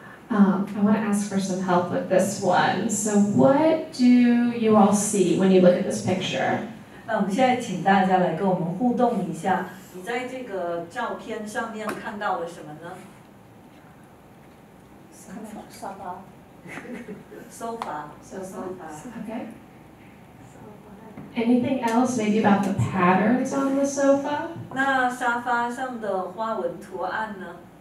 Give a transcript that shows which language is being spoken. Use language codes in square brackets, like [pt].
[en] So, I want to ask for some help with this one. So what do you all see when you look at this picture? [zh] 那我们现在请大家来跟我们互动一下，你在这个照片上面看到了什么呢？沙发。 [en] Okay. Anything else maybe about the patterns on the sofa? [zh] 那沙发上的花纹图案呢？